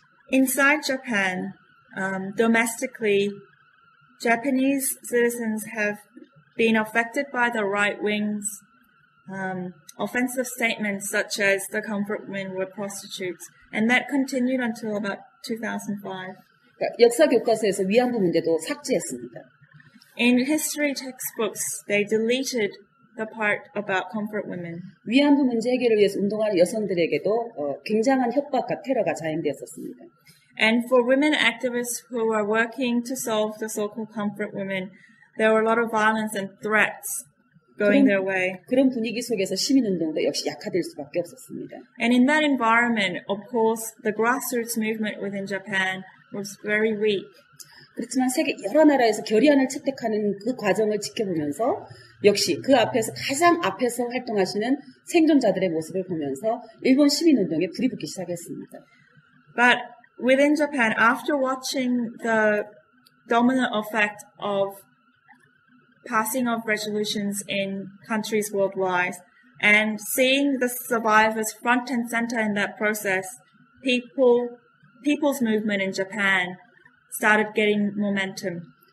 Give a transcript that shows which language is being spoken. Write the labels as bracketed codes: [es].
[en] Inside Japan, domestically, Japanese citizens have been affected by the right wing's offensive statements such as the comfort women were prostitutes, and that continued until about 2005. [ko] 역사 교과서에서 위안부 문제도 삭제했습니다. [en] In history textbooks, they deleted the part about comfort women. [ko] 위안부 문제 해결을 위해서 운동하는 여성들에게도 굉장한 협박과 테러가 자행되었습니다. [en] And for women activists who were working to solve the so-called comfort women, there were a lot of violence and threats going their way. [ko] 그런 분위기 속에서 시민운동도 역시 약화될 수밖에 없었습니다. [en] And in that environment, of course, the grassroots movement within Japan was very weak. [ko] 그렇지만 세계 여러 나라에서 결의안을 채택하는 그 과정을 지켜보면서 역시 그 앞에서 가장 앞에서 활동하시는 생존자들의 모습을 보면서 일본 시민운동에 불이 붙기 시작했습니다. [en] But within Japan, after watching the dominant effect of passing of resolutions in countries worldwide and seeing the survivors front and center in that process, people's movement in Japan started getting momentum.